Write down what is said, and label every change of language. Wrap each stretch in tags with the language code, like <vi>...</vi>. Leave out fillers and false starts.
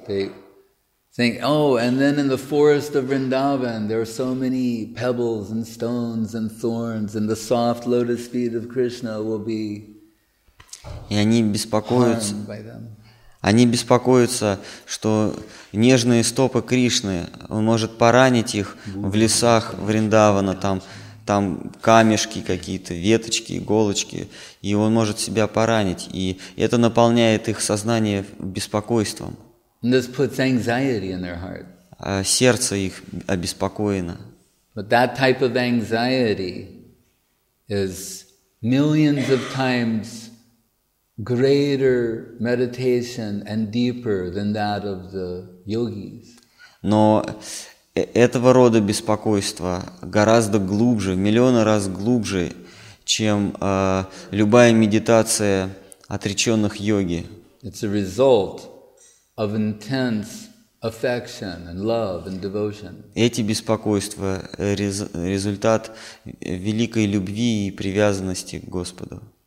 <en>They think, oh, and then in the forest of Vrindavan, there are so many pebbles and stones and thorns, and the soft lotus feet of Krishna will be harmed by them.</en> <ru>Они беспокоятся, что нежные стопы Кришны, он может поранить их в лесах Вриндавана, там камешки какие-то, веточки, иголочки, и он может себя поранить. И это наполняет их сознание беспокойством.</ru> <en>This puts anxiety in their heart.</en> <ru>Сердце их обеспокоено.</ru> <en>But that type of anxiety is millions of times greater meditation and deeper than that of the yogis.</en> <ru>Но этого рода беспокойство гораздо глубже, миллионы раз глубже, чем любая медитация отреченных йоги.</ru> <en>It's a result of intense affection and love and devotion.</en> <ru>Эти беспокойства результат великой любви и привязанности к Господу.</ru>